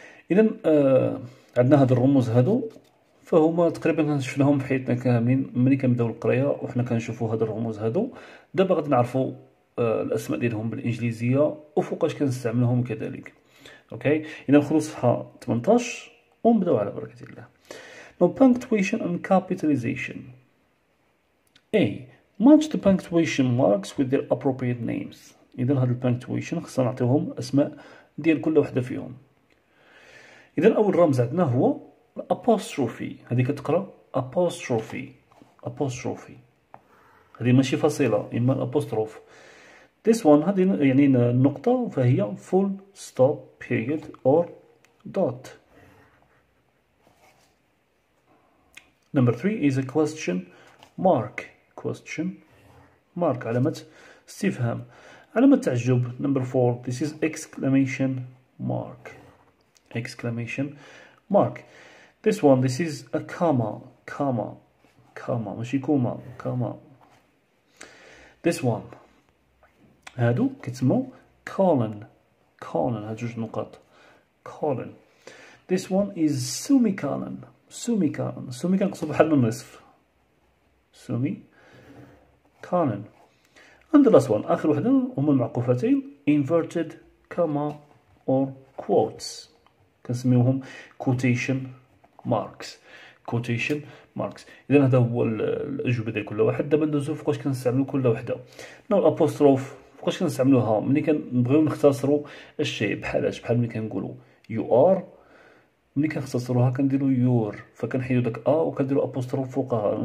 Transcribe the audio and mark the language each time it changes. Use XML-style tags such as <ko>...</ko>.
<ar>إذا عندنا هاد الرموز هادو، فهما تقريبا شفناهم في حياتنا كاملين ملي كنبداو القراية وحنا كنشوفوا هاد الرموز هادو. دابا غادي نعرفوا الاسماء ديالهم بالانجليزيه وفوقاش كنستعملهم كذلك. اوكي، اذا نخلص صفحه 18 ونبداو على بركه الله.</ar> <en>No punctuation and capitalization. A match the punctuation marks with their appropriate names.</en> <ar>اذا هاد البانكتويشن خصنا نعطيوهم اسماء ديال كل وحده فيهم. اذا اول رمز عندنا هو الابوستروفي، هذه كتقرا ابوستروفي ابوستروفي، هذه ماشي فصيله، اما الابوستروف.</ar> <en>This one</en> <ar>هذه يعني النقطة، فهي</ar> <en>full stop period or dot. Number three is a question mark. Question mark</en> <ar>علامة استفهام، علامة تعجب.</ar> <en>Number four, this is exclamation mark. Exclamation mark. This one, this is a comma. Comma. Comma.</en> <ar>ماشي كوما.</ar> <en>Comma. This one.</en> <ar>هادو كيتسمو colon. colon هاد جوج نقاط.</ar> <en>colon. this one is semicolon. semicolon.</en> <ar>semicolon كنقصو بحال النصف.</ar> <en>semicolon. and the last one،</en> <ar>اخر وحدة هما المعقوفتين،</ar> <en>inverted comma or quotes،</en> <ar>كنسميوهم</ar> <en>quotation marks. quotation marks.</en> <ar>اذا هذا هو الاجوبة ديال كل واحد. دابا ندوزو فوقاش كنستعملو كل وحدة. نو الابوستروف فوقاش كنستعملوها؟ ملي كنبغيو نختصروا الشيء، بحالاش بحال ملي كنقولوا يو ار، ملي كنختصروها كنديروا يور، فكنحيدوا داك ا وكنديروا ابوستروف فوقها.</ar>